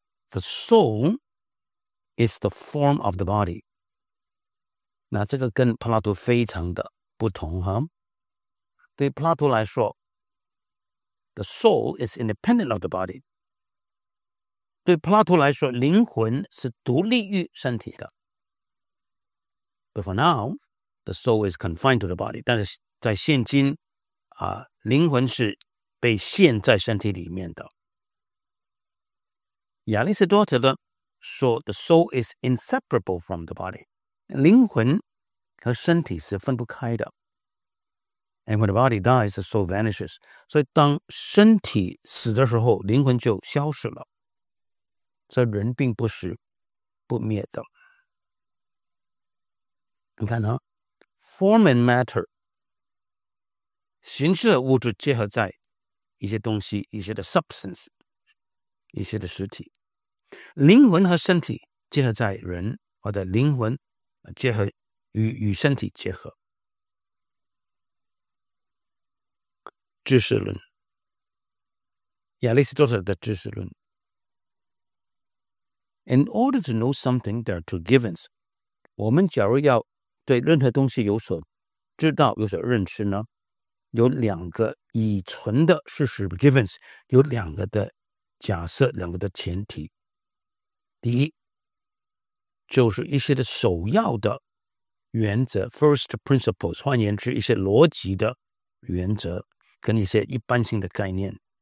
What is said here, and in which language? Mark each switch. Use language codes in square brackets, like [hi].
[en] The soul is the form of the body. [zh] 那这个跟柏拉图非常的不同哈。对柏拉图来说， [en] The soul is independent of the body. [zh] 对柏拉图来说，灵魂是独立于身体的。 [en] But for now, the soul is confined to the body. [zh] 但是在现今，灵魂是被限在身体里面的。亚里士多德的说 [en] ,the soul is inseparable from the body. [zh] 灵魂和身体是分不开的。 [en] And when the body dies, the soul vanishes. [zh] 所以当身体死的时候，灵魂就消失了。所以人并不是不灭的。你看啊， [en] form and matter, [zh] 形式的物质结合在一些东西，一些的 substance, 一些的实体。灵魂和身体结合在人，或者灵魂结合 与身体结合。知识论，亚里士多德的知识论。 [en] In order to know something, there are two givens. [zh] 我们假如要对任何东西有所知道、有所认识呢，有两个已存的事实 givens， 有两个的假设、两个的前提。第一，就是一些的首要的原则 first principles， 换言之，一些逻辑的原则跟一些一般性的概念。